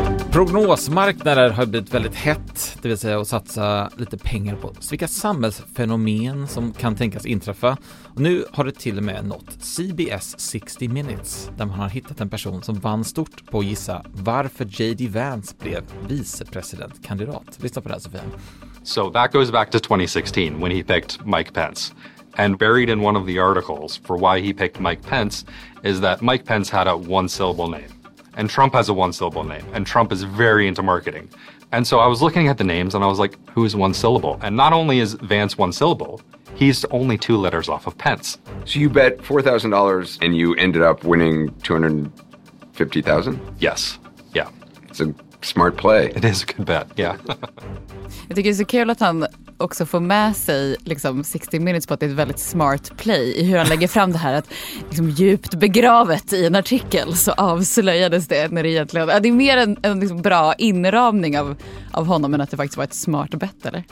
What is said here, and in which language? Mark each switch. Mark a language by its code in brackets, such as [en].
[sv] Prognosmarknader har blivit väldigt hett, det vill säga att satsa lite pengar på vilka samhällsfenomen som kan tänkas inträffa. Och nu har det till och med nått CBS 60 Minutes, där man har hittat en person som vann stort på att gissa varför J.D. Vance blev vicepresidentkandidat. Lyssna på det här, Sofia. [en] So that goes back to 2016 when he picked Mike Pence. And buried in one of the articles for why he picked Mike Pence is that Mike Pence had a one-syllable name. And Trump has a one-syllable name. And Trump is very into marketing. And so I was looking at the names and I was like, who's one syllable? And not only is Vance one syllable, he's only two letters off of Pence. So you bet $4,000 and you ended up winning $250,000? Yes. Yeah. It's a smart play. It is a good bet, yeah. [sv] Jag tycker det är så kul att han också får med sig liksom 60 Minutes på att det är ett väldigt smart play i hur han lägger fram det här, att liksom djupt begravet i en artikel så avslöjades det när det egentligen... Det är mer en liksom bra inramning av honom än att det faktiskt var ett smart bett, eller?